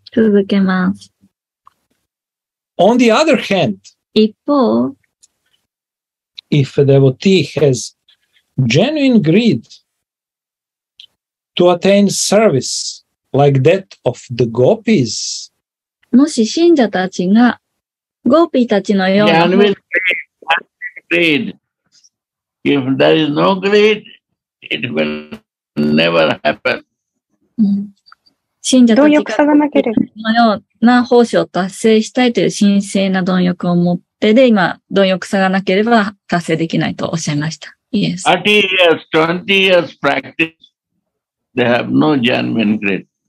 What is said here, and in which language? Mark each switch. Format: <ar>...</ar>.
<en>On the other hand, if a devotee has genuine greed to attain service like that of the gopis,</en> <ja>もし信者たちがゴピーたちのように</ja> <en>greed. If there is no greed, it will never happen.</en> <ja>信者たちがゴピーのような奉仕を達成したいという神聖な貪欲を持ってで、今、貪欲さがなければ達成できないとおっしゃいました。</ja> <en>Yes. 30 years, 20 years practice, they have no genuine greed.</en>